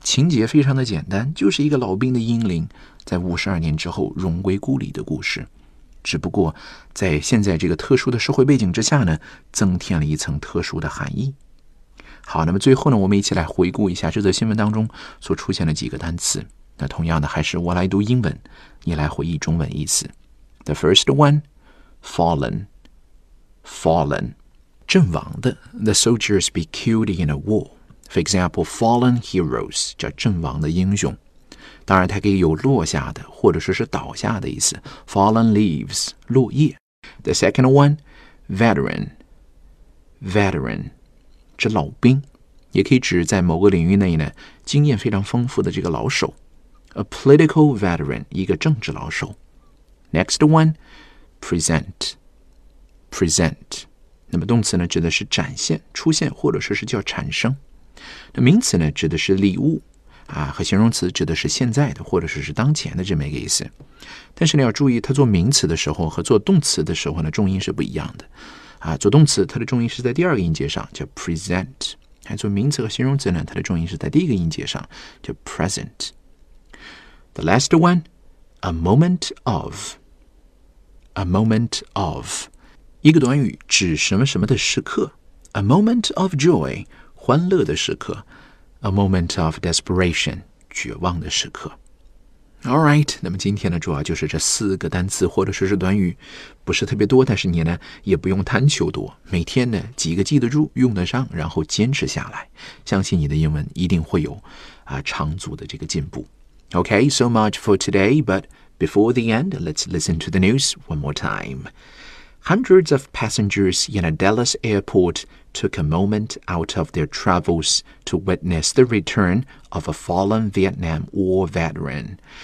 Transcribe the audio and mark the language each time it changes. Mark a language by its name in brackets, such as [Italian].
[Chinese] 情节非常的简单，就是一个老兵的英灵在52年之后荣归故里的故事，只不过在现在这个特殊的社会背景之下呢，增添了一层特殊的含义。好，那么最后呢，我们一起来回顾一下这则新闻当中所出现的几个单词。那同样的，还是我来读英文，你来回忆中文意思。 [English] The first one, fallen, fallen, [Chinese] 阵亡的。 [English] The soldiers be killed in a war. For example, fallen heroes, [Chinese] 叫阵亡的英雄。当然它可以有落下的或者说是倒下的意思。 [English] Fallen leaves, [Chinese] 落叶。 [English] The second one, veteran, veteran, [Chinese] 指老兵，也可以指在某个领域内呢经验非常丰富的这个老手。 [English] A political veteran, [Chinese] 一个政治老手。 [English] Next one, present, present, [Chinese] 那么动词呢指的是展现、出现或者说是叫产生。那名词呢指的是礼物啊，和形容词指的是现在的或者说是当前的这么一个意思。但是你要注意，它做名词的时候和做动词的时候呢重音是不一样的啊。做动词它的重音是在第二个音节上，叫 present。还做名词和形容词呢，它的重音是在第一个音节上，叫 present。 [English] The last one, a moment of, a moment of, [Chinese] 一个短语指什么什么的时刻。 [English] A moment of joy, [Chinese] 欢乐的时刻。 [English] A moment of desperation, [Chinese] 绝望的时刻。 [English] All right, [Chinese] 那么今天呢，主要就是这四个单词或者说是短语，不是特别多，但是你呢也不用贪求多，每天呢几个记得住、用得上，然后坚持下来，相信你的英文一定会有啊长足的这个进步。 [English] Okay, so much for today, but before the end, let's listen to the news one more time. Hundreds of passengers in a Dallas airport took a moment out of their travels to witness the return of a fallen Vietnam War veteran.